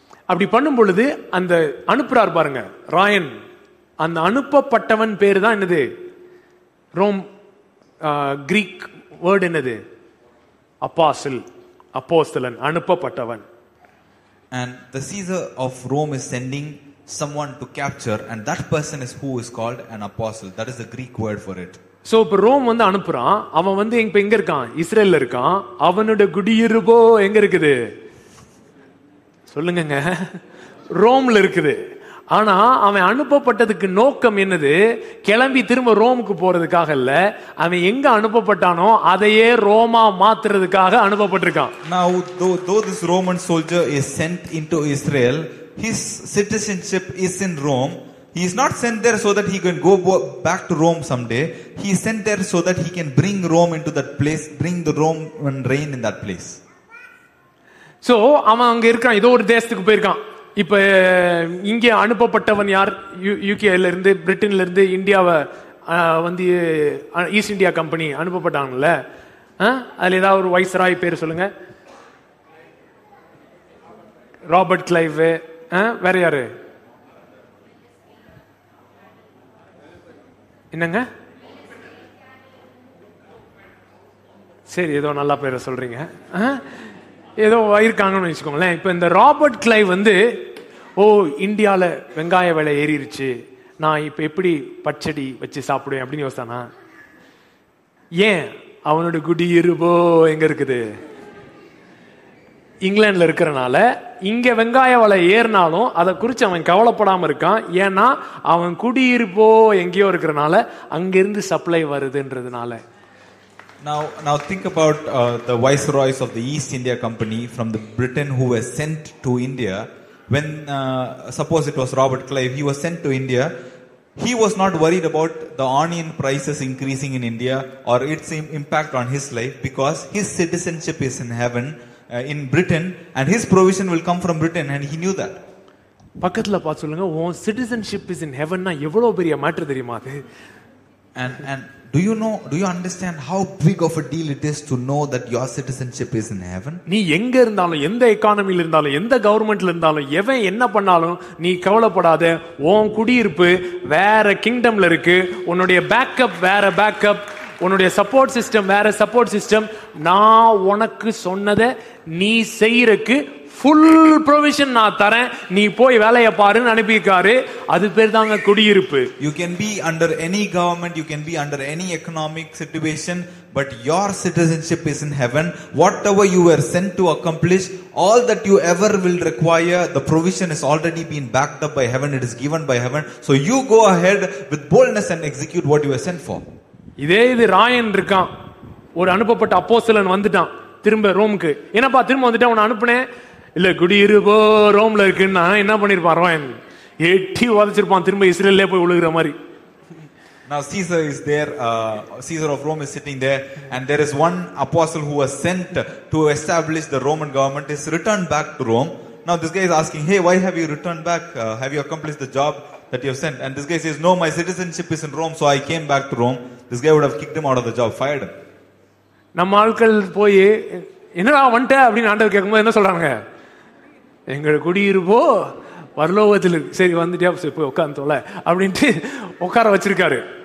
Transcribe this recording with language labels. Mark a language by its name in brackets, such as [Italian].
[Tamil] அப்படி பண்ணும் பொழுது அந்த அனுப்புறார் பாருங்க ராயன், அந்த அனுப்பப்பட்டவன் பேர் தான் என்னது, ரோம் கிரீக் வேர்ட் என்னது, அப்பாஸ்டல், அப்போஸ்தலன், அனுப்பப்பட்டவன். [English] And the Caesar of Rome is sending someone to capture, and that person is who is called an apostle. That is the Greek word for it. [Tamil] So இப்ப Rome வந்து அனுப்புறான், அவன் வந்து எங்க இருக்கான், இஸ்ரேல்ல இருக்கான். அவனோட குடியிருப்போ எங்க இருக்குது சொல்லுங்க, ரோம்ல இருக்குது. ஆனா அவன் அனுப்பப்பட்டதுக்கு நோக்கம் என்னது, கிளம்பி திரும்ப ரோமுக்கு போறதுக்காக இல்ல, அவன் எங்க அனுப்பப்பட்டானோ அதையே ரோமா மாத்துறதுக்காக அனுப்பப்பட்டிருக்கான். [English] Now though this Roman soldier is sent into Israel, his citizenship is in Rome. He is not sent there so that he can go back to Rome someday. He is sent there so that he can bring Rome into that place, bring the Roman reign in that place. [Tamil] So அவன் அங்க இருக்கான், ஏதோ ஒரு தேசத்துக்கு போயிருக்கான். இப்ப இங்க அனுப்பப்பட்டவன் யார், யூகேல இருந்து பிரிட்டன்ல இருந்து இந்தியாவை வந்து ஈஸ்ட் இந்தியா கம்பெனி அனுப்பப்பட்டாங்கல்ல, அதுல ஏதாவது ஒரு வைஸ்ராய் பேர் சொல்லுங்க, ராபர்ட் கிளைவ், வேற யாரு, என்னங்க, சரி ஏதோ நல்ல பேரை சொல்றீங்க, ஏதோ இருக்காங்கன்னு வச்சுக்கோங்களேன். இப்போ இந்த ராபர்ட் கிளைவ் வந்து, ஓ இந்தியாவில் வெங்காய விலை ஏறிடுச்சு, நான் இப்போ எப்படி பச்சடி வச்சு சாப்பிடுவேன் அப்படின்னு யோசித்தானா, ஏன் அவனோட குடியிருப்போ எங்கே இருக்குது, இங்கிலாண்டில் இருக்கிறனால இங்கே வெங்காய விலை ஏறினாலும் அதை குறித்து அவன் கவலைப்படாமல் இருக்கான், ஏன்னா அவன் குடியிருப்போ எங்கேயோ இருக்கிறனால அங்கேருந்து supply வருதுன்றதுனால. [English] Now think about the viceroys of the East India Company from the Britain who were sent to India. When suppose it was Robert Clive, he was sent to India. He was not worried about the onion prices increasing in India or its impact on his life, because his citizenship is in heaven, in Britain, and his provision will come from Britain, and he knew that. [Tamil] பக்கத்துல பா சொல்லுங்க, உன் [English] citizenship is in heaven [Tamil] னா எவ்வளவு பெரிய matter தெரியுமா அது. [English] And do you understand how big of a deal it is to know that your citizenship is in heaven? [Tamil] நீ எங்க இருந்தாலும், எந்த எகனாமில இருந்தாலும், எந்த கவர்மெண்ட்ல இருந்தாலும், எவன் என்ன பண்ணாலும் நீ கவலைப்படாத, உன் குடியிருப்பு வேற கிங்டம்ல இருக்கு, உன்னுடைய பேக்கப் வேற பேக்கப், உன்னுடைய சப்போர்ட் சிஸ்டம் வேற சப்போர்ட் சிஸ்டம். நான் உனக்கு சொன்னதை நீ செய்யறதுக்கு ஃபுல் ப்ரொவிஷன் நான் தரேன், நீ போய் வேலைய பாருன்னு அனுப்பியிருக்காரு, அது பேர் தாங்க குடியிருப்பு. [English] You can be under any government, you can be under any economic situation, but your citizenship is in heaven. Whatever you were sent to accomplish, all that you ever will require, the provision is already been backed up by heaven, it is given by heaven. So you go ahead with boldness and execute what you were sent for. [Tamil] இதே இது ராயன் இருக்கான், ஒரு அனுப்பப்பட்ட அப்போஸ்தலன் வந்துட்டான் திரும்ப ரோமுக்கு, என்னப்பா திரும்ப வந்துட்டான் உன அனுப்புனேன், இல்ல குடியிருப்போ ரோம்ல இருக்குன்னா என்ன பண்ணிருப்பான் ராயன், எட்டி உதச்சிருப்பான் திரும்ப இஸ்ரேல்லே போய் உழுகுற மாதிரி. [English] Now Caesar is there, Caesar of Rome is sitting there, and there is one apostle who was sent to establish the Roman government, is returned back to Rome. Now this guy is asking, hey, why have you returned back, have you accomplished the job that you have sent? And this guy says, no, my citizenship is in Rome, so I came back to Rome. This guy would have kicked him out of the job, fired him. [Tamil] நம்ம ஆட்கள் போய் என்னடா வந்துட்ட அப்படின்னு ஆண்டவர் கேட்கும்போது என்ன சொல்றாங்க, எங்களை குடியிருப்போ பரலோகத்தில், சரி வந்துட்டியா போய் உட்காந்துல அப்படின்ட்டு உட்கார வச்சிருக்காரு.